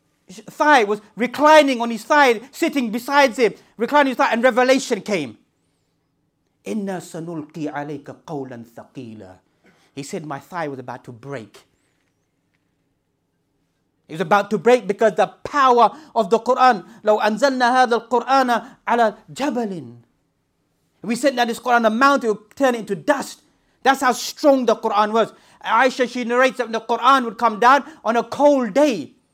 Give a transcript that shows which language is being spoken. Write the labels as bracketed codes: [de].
[en] thigh, was reclining on his thigh, sitting beside him, reclining his thigh, and revelation came. [ar] Inna sanulqi alayka qawlan thaqila. [en] He said, my thigh was about to break. It was about to break because the power of the Quran. [ar] لو أنزلنا هذا القرآن على جبل. [en] We said that this Quran, a mountain, would turn into dust. That's how strong the Quran was. Aisha, she narrates that the Quran would come down on a cold day.